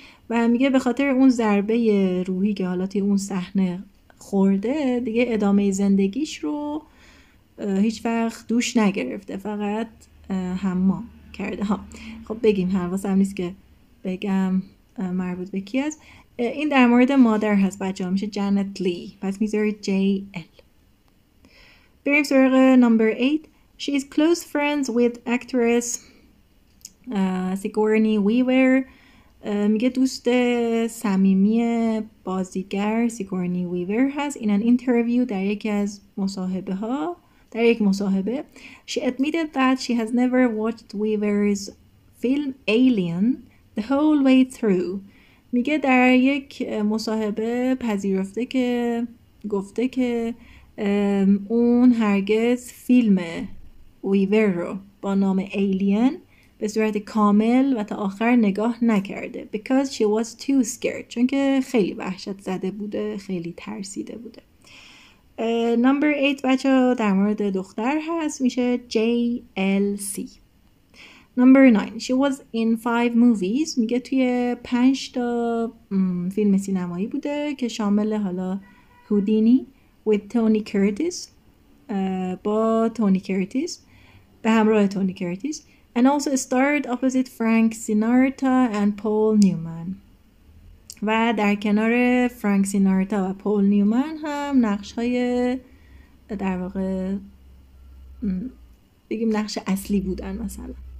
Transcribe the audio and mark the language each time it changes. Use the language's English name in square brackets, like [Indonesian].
[Persian] و میگه به خاطر اون ضربه روحی که حالا توی اون صحنه خورده، دیگه ادامه زندگیش رو هیچ وقت دوش نگرفته، فقط حمام کرده. ها خب بگیم، حواسم نیست که بگم مربوط به کی است. این در مورد مادر هست بچه ها، میشه جنت لی، پس میذارید JL. بریم سراغ نمبر 8. [English] She is close friends with actress Sigourney Weaver. [Persian] میگه دوست صمیمی بازیگر Sigourney Weaver هست. [English] In an interview، [Persian] در یکی از مصاحبه ها، در یک مصاحبه، [English] she admitted that she has never watched Weaver's film Alien the whole way through. [Persian] میگه در یک مصاحبه پذیرفته که گفته که اون هرگز فیلمه ویور رو با نام Alien به صورت کامل و تا آخر نگاه نکرده. [English] Because she was too scared، [Persian] چون که خیلی وحشت زده بوده، خیلی ترسیده بوده. [English] Number 8 [Persian] بچه در مورد دختر هست، میشه JLC. [English] Number 9. She was in 5 movies، [Persian] میگه توی 5 تا فیلم سینمایی بوده که شامل حالا هودینی [English] with Tony Curtis، [Persian] با تونی کرتیس، به همراه تونی کرتیس. [English] And also starred opposite Frank Sinatra and Paul Newman. [Persian] و در کنار فرانک سیناتا و پول نیومن هم نقش های در واقع بگیم نقش اصلی بودن مثلا.